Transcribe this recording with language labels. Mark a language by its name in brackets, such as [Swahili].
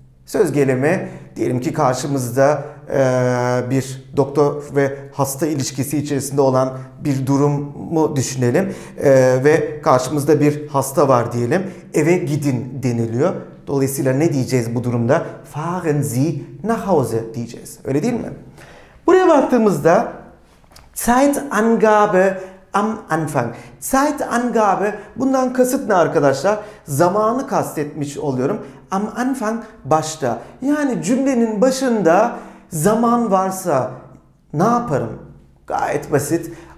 [Turkish] Söz gelimi diyelim ki karşımızda bir doktor ve hasta ilişkisi içerisinde olan bir durumu düşünelim. Ve karşımızda bir hasta var diyelim. Eve gidin deniliyor. Dolayısıyla ne diyeceğiz bu durumda? [German] Fahren Sie nach Hause [Turkish] diyeceğiz. Öyle değil mi? Buraya baktığımızda [German] Zeitangabe am Anfang. [Turkish] Zeitangabe bundan kasıt ne arkadaşlar? Zamanı kastetmiş oluyorum. Am Anfang başta. Yani cümlenin başında zaman varsa ne yaparım? Gayet basit.